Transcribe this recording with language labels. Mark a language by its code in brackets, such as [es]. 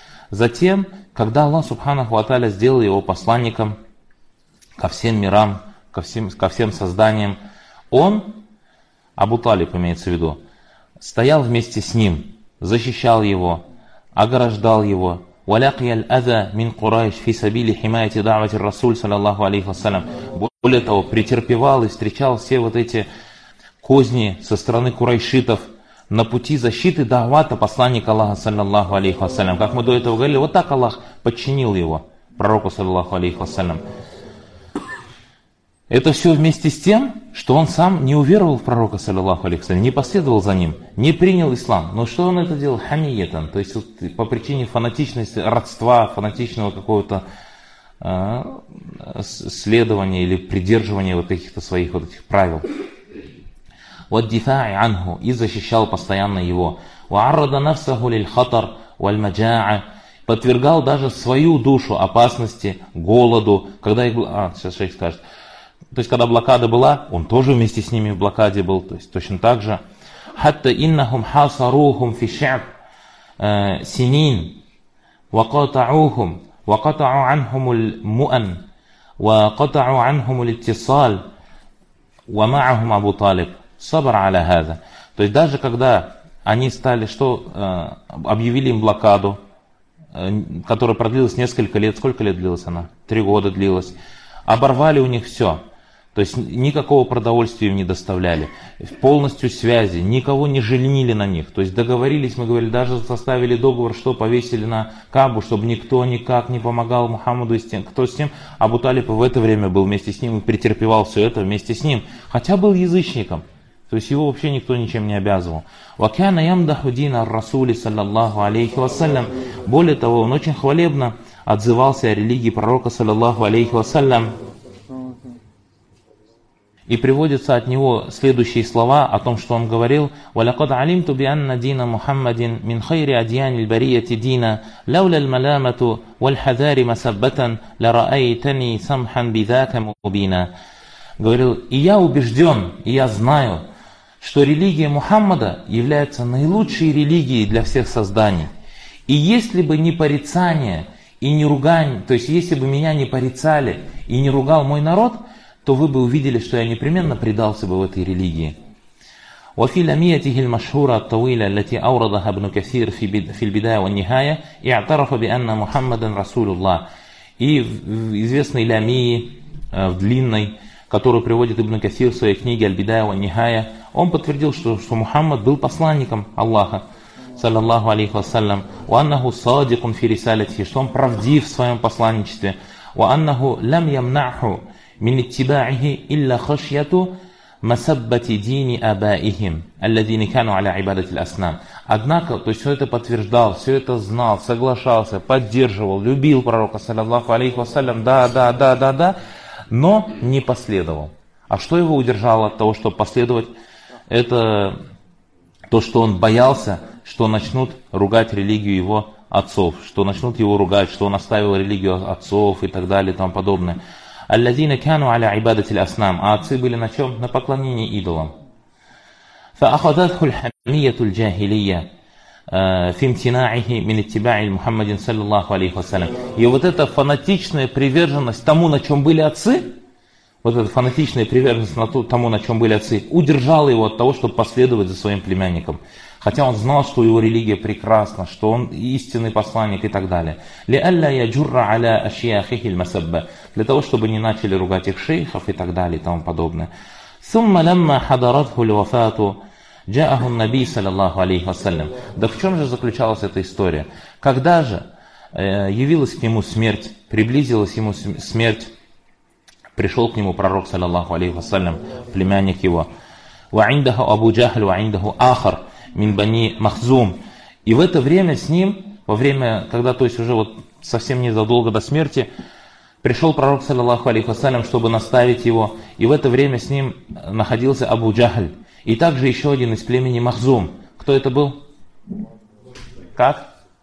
[ru] Затем, когда Аллах Субханаху ва Тааля сделал его посланником ко всем мирам, ко всем созданиям, он, Абу Талиб имеется в виду, стоял вместе с ним, защищал его, ограждал его, [ar] ولقي الأذى من قريش في سبيل حماية دعوة الرسول صلى الله عليه وسلم. [ru] Более того, претерпевал и встречал все вот эти козни со стороны курайшитов на пути защиты Дагвата, посланника Аллаха, саллиллаху алейхи вассалям. Как мы до этого говорили, вот так Аллах подчинил его, пророку, саллиллаху алейхи вассалям. Это все вместе с тем, что он сам не уверовал в пророка, саллиллаху алейхи вассалям, не последовал за ним, не принял ислам. Но что он это делал? Хамиетан. То есть вот, по причине фанатичности, родства, фанатичного какого-то следования или придерживания вот каких-то своих вот этих правил. Вот [ar] дифаи анху, [ru] и защищал постоянно его. [ar] Ва'арада нафсаху лиль хатар валь маджаа, [ru] подвергал даже свою душу опасности, голоду. Когда их было, сейчас шейх скажет. То есть когда блокада была, он тоже вместе с ними в блокаде был, то есть точно так же. [ar] Хатта иннахум хасарухум фи шаб синин ва катаухум. وقطعوا عنهم المؤن وقطعوا عنهم الاتصال ومعهم أبو طالب صبر على هذا. [ru] То есть даже когда они стали, что объявили им блокаду, которая продлилась несколько лет, сколько лет длилась она? 3 года длилась. Оборвали у них все. То есть никакого продовольствия им не доставляли. Полностью связи, никого не женили на них. То есть договорились, мы говорили, даже составили договор, что повесили на Кабу, чтобы никто никак не помогал Мухаммаду и с тем, кто с ним. Абу Талиб в это время был вместе с ним и претерпевал все это вместе с ним. Хотя был язычником. То есть его вообще никто ничем не обязывал. [ar] وَكَانَ يَمْدَحُ دِينَ الرَّسُولِ صَلَّى اللَّهُ عَلَيْهِ وَسَلَّمْ. [ru] Более того, он очень хвалебно отзывался о религии пророка, саллиллаху алейхи вассалям. И приводятся от него следующие слова о том, что он говорил: [ar] وَلَقَدْ عَلِمْتُ بِأَنَّ دِينَ مُحَمَّدٍ مِنْ خَيْرِ أَدْيَانِ الْبَرِيَّةِ دِينَ لَوْلَا الْمَلَامَةُ وَالْحَذَارِ مَسَبَّةً لَرَأَيْتَنِي سَمْحًا بِذَاكَ مُبِينًا. [ru] Говорил: «И я убежден, и я знаю, что религия Мухаммада является наилучшей религией для всех созданий. И если бы не порицание и не ругань, то есть если бы меня не порицали и не ругал мой народ, то вы бы увидели, что я непременно предался бы в этой религии». [ar] وفي لميته المشهورة الطويلة التي أوردها ابن كثير في البداية والنهاية اعترف بأن محمدا رسول الله. [ru] И в известной ламии, в длинной, которую приводит ибн Касир в своей книге «Аль-Бидая ва-Нихая», он подтвердил, что Мухаммад был посланником Аллаха, саллаллаху алейхи вассалям, [ar] وَأَنَّهُ صَادِقٌ فِي رِسَالَتِهِ, [ru] что он правдив в своем посланничестве, [ar] وَأَنَّهُ لَمْ يَمْنَعْهُ من اتباعه إلا خشية مسبة دين آبائهم الذين كانوا على عبادة الأصنام. [ru] Однако, то есть все это подтверждал, все это знал, соглашался, поддерживал, любил пророка, саллиллаху алейхи вассалям, да, но не последовал. А что его удержало от того, чтобы последовать? Это то, что он боялся, что начнут ругать религию его отцов, что начнут его ругать, что он оставил религию отцов и так далее и тому подобное. [ar] Аллазина кану аля ибадати ль-аснам. [ru] А отцы были на чем? На поклонении идолам. [ar] فأخذته الحمية الجاهلية في امتناعه من اتباع محمد صلى الله عليه وسلم. [ru] И вот эта фанатичная приверженность тому, на чем были отцы, вот эта фанатичная приверженность тому, на чем были отцы, удержала его от того, чтобы последовать за своим племянником. Хотя он знал, что его религия прекрасна, что он истинный посланник и так далее. [ar] لِأَلَّا يَجُرَّ عَلَىٰ أَشْيَاخِهِ الْمَسَبَّةِ. [ru] Для того, чтобы не начали ругать их шейхов и так далее и тому подобное. [ar] ثُمَّ لَمَّا حَضَرَتْهُ الْوَفَاتُ جَاءَهُ النَّبِيُّ صَلَى اللَّهُ عَلَيْهِ وَسَلَّمُ. [ru] Да в чем же заключалась эта история? Когда же явилась к нему смерть, приблизилась ему смерть, пришел к нему пророк, саллиллаху алейхи вассалям, племянник его. [ar] وَعِنْدَهُ أَبُو جَهْلُ وَعِنْدَهُ آخر [ru] мин бани махзум. И в это время с ним, во время, когда, то есть уже вот совсем незадолго до смерти, пришел пророк, саллиллаху алейхи вассалям, чтобы наставить его, и в это время с ним находился Абу Джахль. И также еще один из племени Махзум. Кто это был? Как?